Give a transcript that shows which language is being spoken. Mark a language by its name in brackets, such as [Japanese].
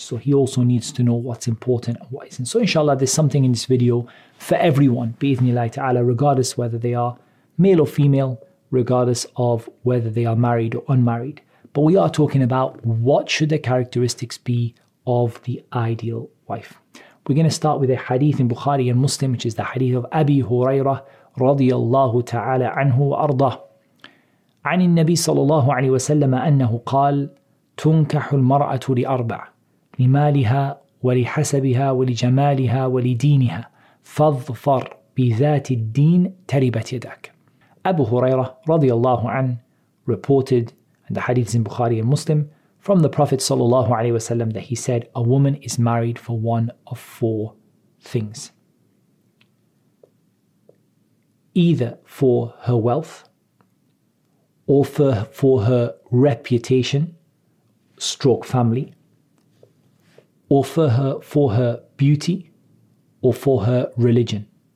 [English] So he also needs to know what's important and what isn't. So inshallah, there's something in this video for everyone, bi-ithnillahi ta'ala, regardless whether they are male or female, regardless of whether they are married or unmarried. But we are talking about what should the characteristics be of the ideal wife. We're going to start with a hadith in Bukhari and Muslim, which is the hadith of Abi Hurairah radiyallahu ta'ala anhu wa ardah. [Arabic] عن النبي صلى الله عليه وسلم أنه قال تنكح المرأة لأربع لمالها ولحسبها ولجمالها ولدينها فاظفر بذات الدين تربت يداك. [English] أبو هريرة رضي الله عنه reported in the hadith in Bukhari and Muslim from the Prophet صلى الله عليه وسلم that he said a woman is married for one of four things. Either for her wealth, or for her reputation, / family, or for her beauty, or for her religion.